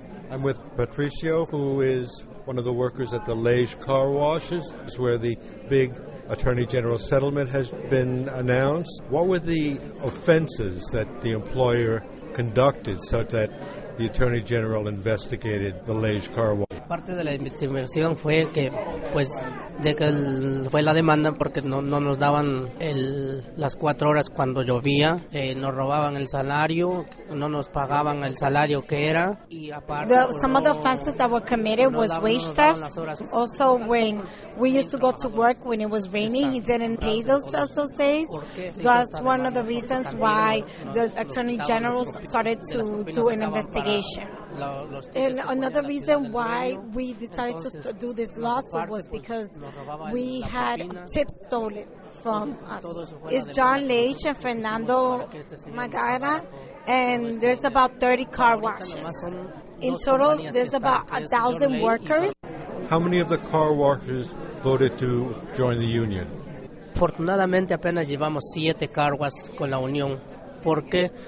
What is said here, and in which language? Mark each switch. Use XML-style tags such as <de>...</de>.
<en>I'm with Patricio, who is one of the workers at the Lage Car Washes, where the big Attorney General settlement has been announced. What were the offenses that the employer conducted such that the Attorney General investigated the Lage Car Wash?</en> <es>Parte de la investigación fue que, pues, de que fue la demanda porque no nos daban las cuatro horas cuando llovía, nos robaban el salario, no nos pagaban el salario que era. Y aparte,</es> <en>some of the offenses that were committed was wage theft. Also, when we used to go to work when it was raining, he didn't pay those days. That's one of the reasons why the Attorney General started to do an investigation. And another reason why we decided to do this lawsuit was because we had tips stolen from us. It's John Leach and Fernando Magara, and there's about 30 car washes. In total, there's about 1,000 workers. How many of the car washes voted to join the union?</en> <es>Fortunadamente, apenas llevamos 7 car washes con la unión. ¿Por qué?</es>